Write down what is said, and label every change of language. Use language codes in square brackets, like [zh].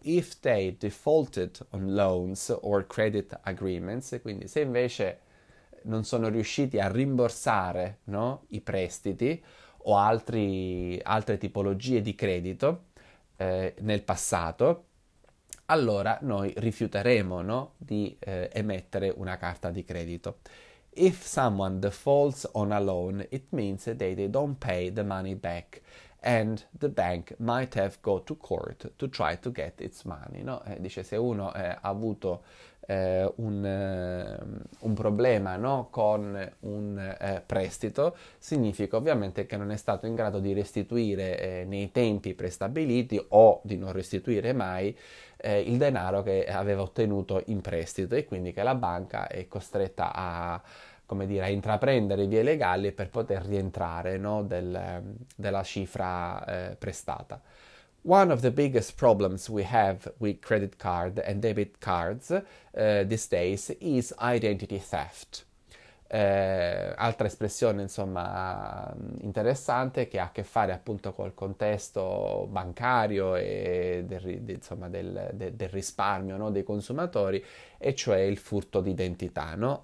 [en] If they defaulted on loans or credit agreements, [it] quindi se invece non sono riusciti a rimborsare, no? I prestiti o altre tipologie di credito nel passato, allora noi rifiuteremo, no? Di emettere una carta di credito. [en] If someone defaults on a loan, it means that they don't pay the money back And the bank might have gone to court to try to get its money, no? [it] Dice, se uno ha avuto un problema, no? Con un prestito, significa ovviamente che non è stato in grado di restituire nei tempi prestabiliti o di non restituire mai il denaro che aveva ottenuto in prestito e quindi che la banca è costretta a, come dire, a intraprendere vie legali per poter rientrare, no, della cifra prestata. [en] One of the biggest problems we have with credit card and debit cards these days is identity theft. [it] Altra espressione, insomma, interessante che ha a che fare appunto col contesto bancario e insomma, del risparmio, no, dei consumatori, e cioè il furto d'identità, no?